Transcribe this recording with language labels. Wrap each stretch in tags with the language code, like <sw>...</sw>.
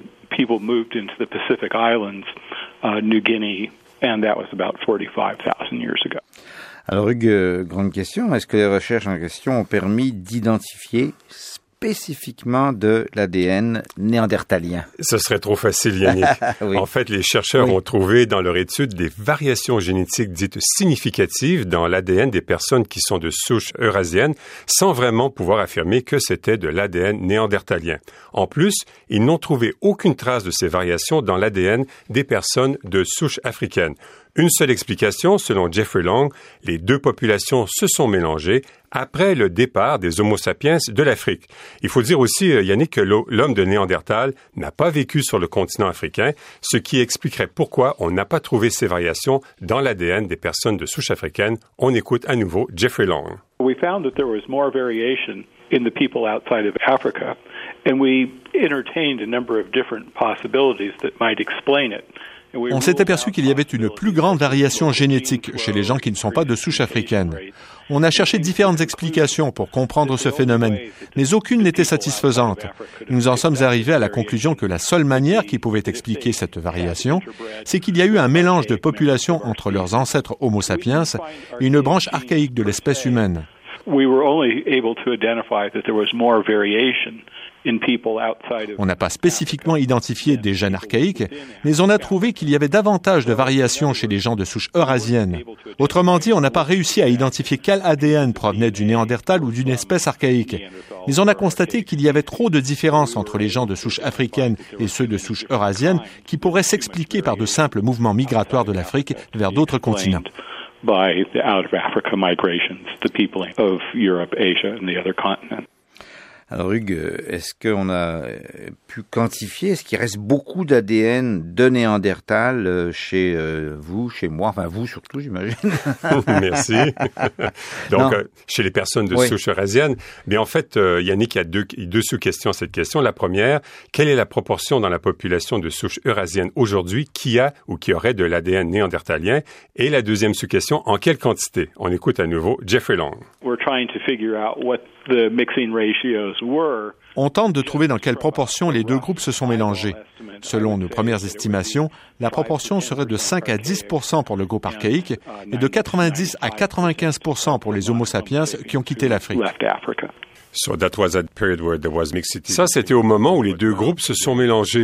<en>People moved into the Pacific Islands, New Guinea, and that was about 45,000 years ago.</en> <fr>Alors, Hugues, grande question. Est-ce que les recherches en question ont permis d'identifier spécifiquement de l'ADN néandertalien? Ce serait trop facile, Yannick. Oui. En fait, les chercheurs ont trouvé dans leur étude des variations génétiques dites significatives dans l'ADN des personnes qui sont de souche eurasienne, sans vraiment pouvoir affirmer que c'était de l'ADN néandertalien. En plus, ils n'ont trouvé aucune trace de ces variations dans l'ADN des personnes de souche africaine. Une seule explication, selon Jeffrey Long, les deux populations se sont mélangées après le départ des Homo sapiens de l'Afrique. Il faut dire aussi, Yannick, que l'homme de Néandertal n'a pas vécu sur le continent africain, ce qui expliquerait pourquoi on n'a pas trouvé ces variations dans l'ADN des personnes de souche africaine. On écoute à nouveau Jeffrey Long.</fr> <en>We found that there was more variation in the people outside of Africa, and we entertained a number of different possibilities that might explain it.</en> <fr>On s'est aperçu qu'il y avait une plus grande variation génétique chez les gens qui ne sont pas de souche africaine. On a cherché différentes explications pour comprendre ce phénomène, mais aucune n'était satisfaisante. Nous en sommes arrivés à la conclusion que la seule manière qui pouvait expliquer cette variation, c'est qu'il y a eu un mélange de populations entre leurs ancêtres Homo sapiens et une branche archaïque de l'espèce humaine.</fr> <en>We were only able to identify that there was more variation in people outside of.</en> <fr>On n'a pas spécifiquement identifié des gènes archaïques, mais on a trouvé qu'il y avait davantage de variations chez les gens de souche eurasienne. Autrement dit, on n'a pas réussi à identifier quel ADN provenait du Néandertal ou d'une espèce archaïque. Mais on a constaté qu'il y avait trop de différences entre les gens de souche africaine et ceux de souche eurasienne qui pourraient s'expliquer par de simples mouvements migratoires de l'Afrique vers d'autres continents.</fr> <en>By the out-of-Africa migrations, the people of Europe, Asia, and the other continents.</en> <fr>Alors, Hugues, est-ce qu'on a pu quantifier, est-ce qu'il reste beaucoup d'ADN de Néandertal chez vous, chez moi, enfin vous surtout, j'imagine? Merci. Donc, chez les personnes de souche eurasienne, mais en fait, Yannick, il y a deux sous-questions à cette question. La première, quelle est la proportion dans la population de souche eurasienne aujourd'hui qui a ou qui aurait de l'ADN néandertalien? Et la deuxième sous-question, en quelle quantité? On écoute à nouveau Jeffrey Long.</fr> <en>We're trying to figure out what the mixing ratio.</en> <fr>On tente de trouver dans quelle proportion les deux groupes se sont mélangés. Selon nos premières estimations, la proportion serait de 5 à 10 % pour le groupe archaïque et de 90 à 95 % pour les Homo sapiens qui ont quitté l'Afrique. Ça, c'était au moment où les deux groupes se sont mélangés.</fr>